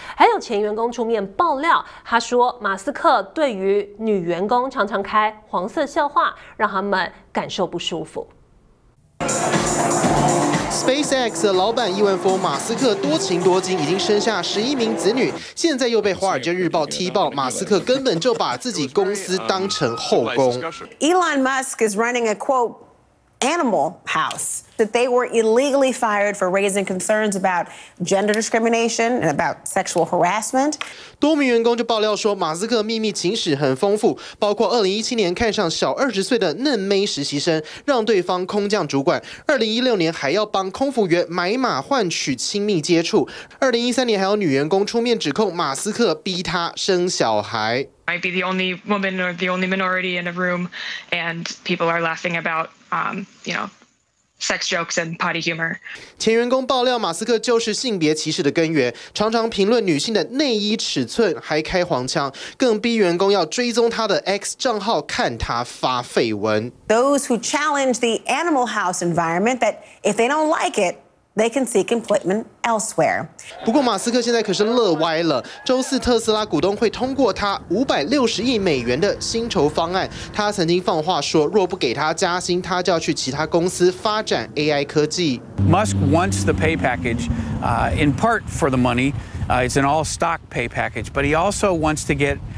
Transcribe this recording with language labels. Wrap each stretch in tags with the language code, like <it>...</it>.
<zh>还有前员工出面爆料，他说马斯克对于女员工常常开黄色笑话，让他们感受不舒服。 SpaceX 的老板亿万富翁马斯克多情多金，已经生下11名子女，现在又被《华尔街日报》踢爆，马斯克根本就把自己公司当成后宫。</zh> <en>Elon Musk is running a quote Animal House, that they were illegally fired for raising concerns about gender discrimination and about sexual harassment.</en> <zh>多名员工就爆料说，马斯克秘密情史很丰富，包括2017年看上小20岁的嫩妹实习生，让对方空降主管；2016年还要帮空服员买马换取亲密接触；2013年还有女员工出面指控马斯克逼她生小孩。</zh> <en>Might be the only woman or the only minority in a room, and people are laughing about, sex jokes and potty humor.</en> <zh>前员工爆料，马斯克就是性别歧视的根源，常常评论女性的内衣尺寸，还开黄腔，更逼员工要追踪他的 X 账号，看他发绯闻。</zh> <en>Those who challenge the Animal House environment, that if they don't like it. They can seek employment elsewhere.</en> <zh>不过马斯克现在可是乐歪了。周四特斯拉股东会通过他560亿美元的薪酬方案。他曾经放话说，若不给他加薪，他就要去其他公司发展 AI 科技。</zh> <en>Musk wants the pay package, in part for the money. It's an all-stock pay package, but he also wants to get.</en>